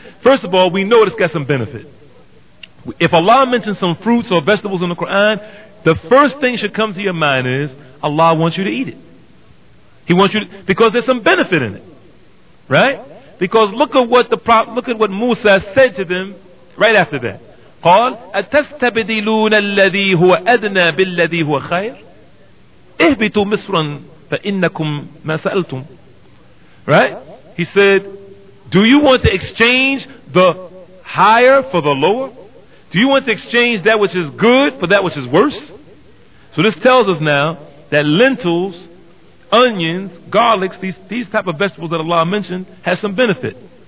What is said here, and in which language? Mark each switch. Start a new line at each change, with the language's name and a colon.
English: First of all, we know it's got some benefit. If Allah mentions some fruits or vegetables in the Quran, the first thing should come to your mind is Allah wants you to eat it. He wants you to, because there's some benefit in it. Right? Because look at what Musa said to them right after that.
Arabic: قال أتستبدلون الذي هو أدنى بالذي هو خير اهبطوا مصرا فإنكم ما سألتم.
English: Right? He said, do you want to exchange the higher for the lower? Do you want to exchange that which is good for that which is worse? So this tells us now that lentils, onions, garlics, these type of vegetables that Allah mentioned, has some benefit.